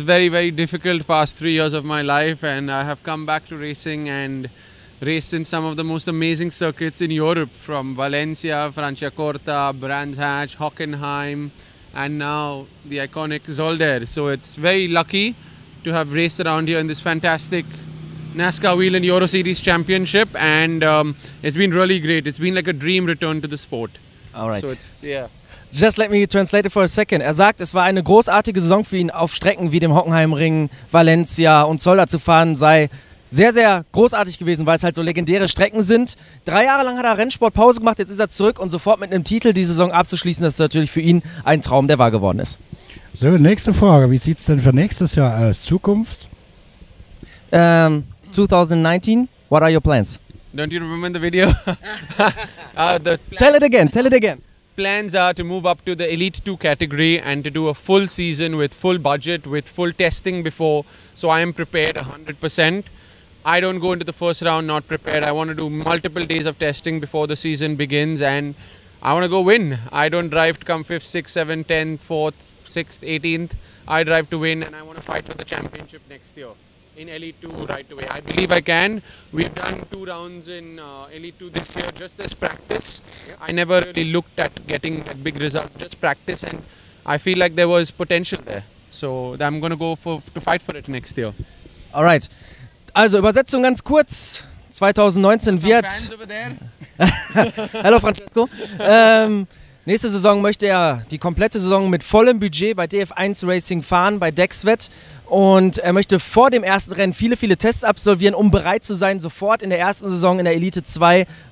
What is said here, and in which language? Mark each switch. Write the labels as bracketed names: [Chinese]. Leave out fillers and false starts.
[English] Very, very difficult past 3 years of my life, and I have come back to racing and raced in some of the most amazing circuits in Europe, from Valencia, Franciacorta, Brands Hatch, Hockenheim, and now the iconic Zolder. So it's very lucky to have raced around here in this fantastic NASCAR Wheel and Euro Series Championship, and it's been really great. It's been like a dream return to the sport. All right. So it's, yeah. Just let me translate it for a second. [German] Er sagt, es war eine großartige Saison für ihn, auf Strecken wie dem Hockenheimring, Valencia und Zolder zu fahren, sei sehr, sehr großartig gewesen, weil es halt so legendäre Strecken sind. 3 Jahre lang hat er Rennsport Pause gemacht, jetzt ist er zurück und sofort mit einem Titel die Saison abzuschließen. Das ist natürlich für ihn ein Traum, der wahr geworden ist. So, nächste Frage. Wie sieht es denn für nächstes Jahr aus? Zukunft? [English] 2019, what are your plans? Don't you remember the video? tell it again. Plans are to move up to the Elite 2 category and to do a full season with full budget, with full testing before. So I am prepared 100%. I don't go into the first round not prepared. I want to do multiple days of testing before the season begins, and I want to go win. I don't drive to come 5th, 6th, 7th, 10th, 4th, 6th, 18th. I drive to win, and I want to fight for the championship next year in Elite 2 right away. I believe I can. We've done 2 rounds in Elite 2 this year just as practice. I never really looked at getting a big result, just practice, and I feel like there was potential there. So I'm going to go to fight for it next year. All right. [German] Also, Übersetzung ganz kurz. 2019 wird... Hallo Francesco. Nächste Saison möchte er die komplette Saison mit vollem Budget bei DF1 Racing fahren, bei Dexvet. Und er möchte vor dem ersten Rennen viele, viele Tests absolvieren, um bereit zu sein, sofort in der ersten Saison in der Elite 2